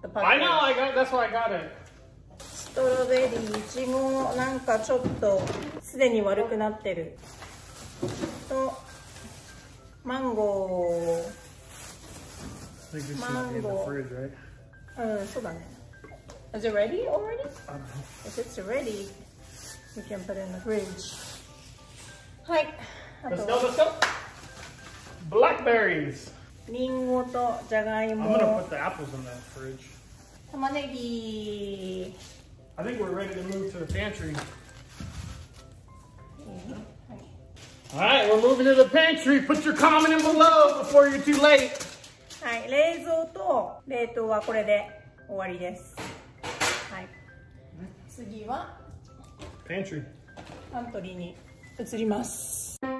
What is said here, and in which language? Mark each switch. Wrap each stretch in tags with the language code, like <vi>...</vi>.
<en>I know, I got, that's why I got it.</en> <ja>ストロベリー、いちご、なんかちょっとすでに悪くなってる。とマンゴー。マンゴー。うん、そうだね。</ja> <en>Is it ready already? I don't know. If it's ready, we can put it in the fridge.</en> <ja>はい。</ja> <en>Let's go, let's go. Blackberries.</en> <ja>リンゴとジャガイモ。</ja> <en>I'm gonna put the apples in that fridge.</en> <ja>玉ねぎ。</ja> <en>I think we're ready to move to the pantry. Mm-hmm. All right, we're moving to the pantry. Put your comment in below before you're too late.</en> <ja>はい、冷蔵と冷凍はこれで終わりです。はい。次は</ja> <en>pantry.</en> <ja>パントリーに移ります。</ja>